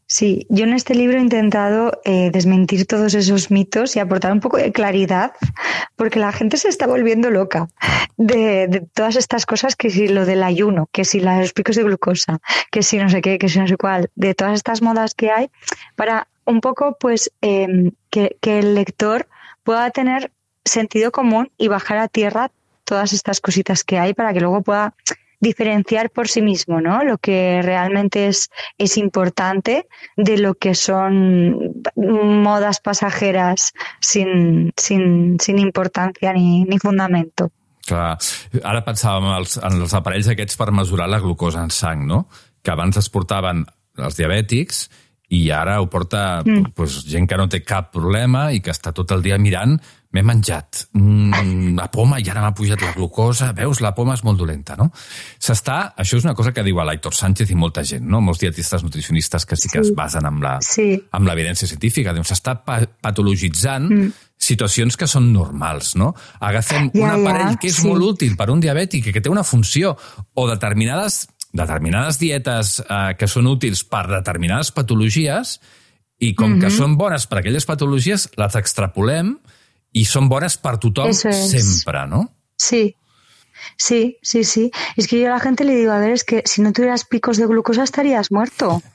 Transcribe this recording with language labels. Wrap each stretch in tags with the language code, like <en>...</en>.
<es>Sí, yo en este libro he intentado desmentir todos esos mitos y aportar un poco de claridad, porque la gente se está volviendo loca de todas estas cosas, que si lo del ayuno, que si los picos de glucosa, que si no sé qué, que si no sé cuál, de todas estas modas que hay, para un poco pues que el lector pueda tener sentido común y bajar a tierra todas estas cositas que hay para que luego pueda... diferenciar por sí mismo, ¿no? Lo que realmente es importante de lo que son modas pasajeras sin importancia ni fundamento.</es> <ca>Clar. Ara pensàvem en els aparells aquests per mesurar la glucosa en sang, no? Que abans es portaven els diabètics i ara ho porta pues, gent que no té cap problema i que està tot el dia mirant. M'he menjat una poma i ara m'ha pujat la glucosa. Veus, la poma és molt dolenta, no? Això és una cosa que diu l'Aitor Sánchez i molta gent, no? Molts dietistes nutricionistes que sí que es basen amb l'evidència científica. S'està patologitzant situacions que són normals, no? Agafem un aparell que és molt útil per un diabètic i que té una funció, o determinades dietes que són útils per determinades patologies, i com que són bones per aquelles patologies, les extrapolem...</ca> <es>Y son buenas para tu todo siempre, ¿no? Sí. Es que yo a la gente le digo, a ver, es que si no tuvieras picos de glucosa estarías muerto.</es>